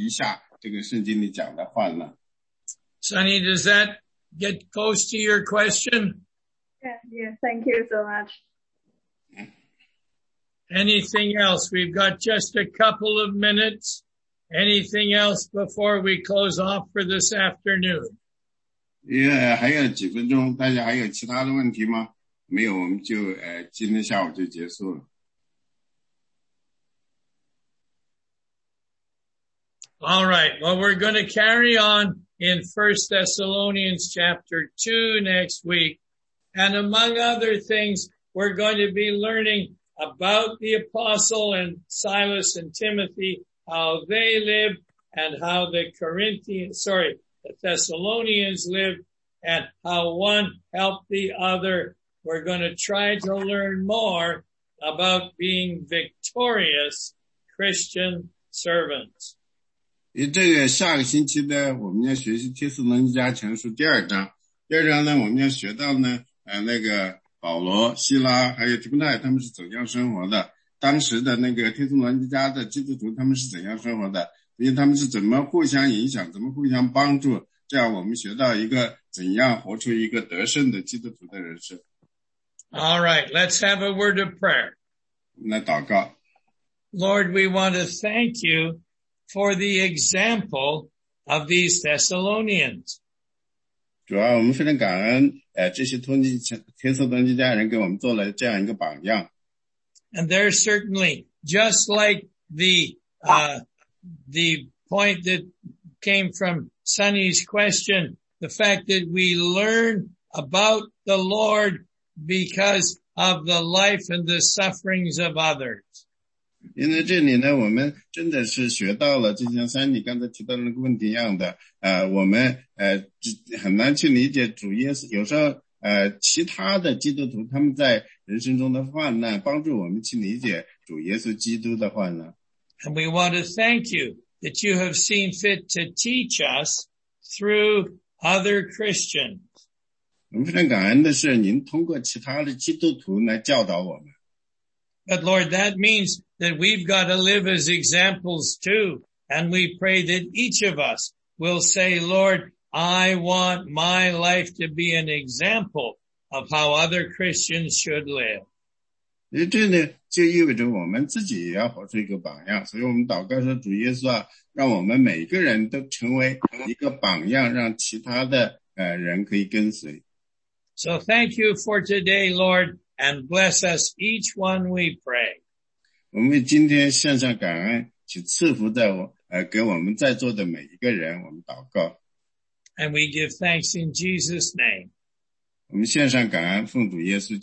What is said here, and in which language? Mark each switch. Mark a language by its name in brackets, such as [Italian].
[Chinese] 也就是讲的要在我身上补满基督患难的缺欠，这就是讲的基督耶稣的患难呢，是有时候你是很难去理解的。所以容易的方式呢，你就是去看使徒保罗他所遭受的患难，在他身上他是怎么样的，这样你就更容易去理解一下这个圣经里讲的患难。 [English] Sunny, does that get close to your question? Yeah, thank you so much. Anything else? We've got just a couple of minutes. Anything else before we close off for this afternoon? [Chinese] Yeah, 还有几分钟，大家还有其他的问题吗？没有我们就今天下午就结束了。 [English] All right, well, we're going to carry on in 1 Thessalonians chapter 2 next week. And among other things, we're going to be learning about the apostle and Silas and Timothy, how they live and how the Thessalonians live and how one helped the other. We're going to try to learn more about being victorious Christian servants. [Chinese] 这个下个星期呢，我们要学习《帖撒罗尼迦前书》第二章呢，我们要学到呢，那个保罗、希拉还有提摩太他们是怎样生活的，当时的那个帖撒罗尼迦的基督徒他们是怎样生活的，因为他们是怎么互相影响，怎么互相帮助，这样我们学到一个怎样活出一个得胜的基督徒的人生。 [English] All right, let's have a word of prayer. [Chinese] 来祷告。 [English] Lord, we want to thank you. For the example of these Thessalonians. [Chinese] 主要我们非常感恩这些帖撒罗尼迦人给我们做了这样一个榜样。 [English] And they're certainly just like the point that came from Sunny's question, the fact that we learn about the Lord because of the life and the sufferings of others. [Chinese] 因为这里呢我们真的是学到了就像三你刚才提到的那个问题一样的我们很难去理解主耶稣有时候其他的基督徒他们在人生中的患难帮助我们去理解主耶稣基督的患难。 [English] And we want to thank you that you have seen fit to teach us through other Christians. [Chinese] 我们非常感恩的是您通过其他的基督徒来教导我们。 [English] But Lord, that means that we've got to live as examples too. And we pray that each of us will say, Lord, I want my life to be an example of how other Christians should live. [Chinese] 这呢就意味着我们自己也要活出一个榜样。所以我们祷告说主耶稣啊让我们每个人都成为一个榜样让其他的人可以跟随。 [English] So thank you for today, Lord. And bless us each one we pray. [Chinese] 我们今天献上感恩，请赐福在我给我们在座的每一个人，我们祷告。 [English] And we give thanks in Jesus' name. [Chinese] 我们献上感恩，奉主耶稣基督。